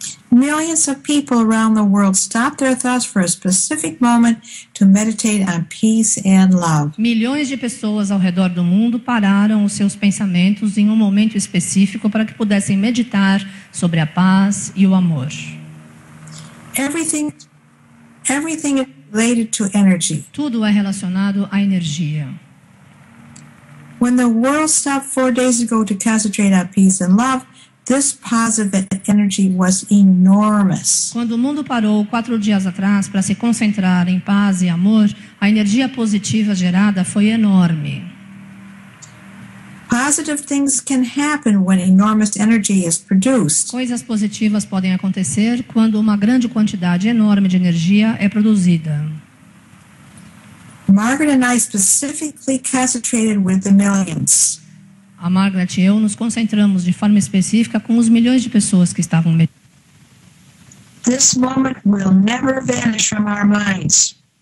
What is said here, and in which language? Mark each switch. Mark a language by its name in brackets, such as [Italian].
[English] Millions of people around the world stopped their thoughts for a specific moment to meditate on peace and love. [Portuguese] Milhões de pessoas ao redor do mundo pararam os seus pensamentos em um momento específico para que pudessem meditar sobre a paz e o amor. [English] Everything is related to energy. [Portuguese] Tudo é relacionado à energia. [English] When the world stopped 4 days ago to concentrate on peace and love, this positive energy was enormous. [Portuguese] Quando o mundo parou 4 dias atrás para se concentrar em paz e amor, a energia positiva gerada foi enorme. [English] Positive things can happen when enormous energy is produced. [Portuguese] Coisas positivas podem acontecer quando uma grande quantidade enorme de energia é produzida. [English] Margaret and I specifically concentrated with the millions. [Portuguese] A Margaret e eu nos concentramos de forma específica com os milhões de pessoas que estavam meditando. [English] This moment will never vanish from our minds.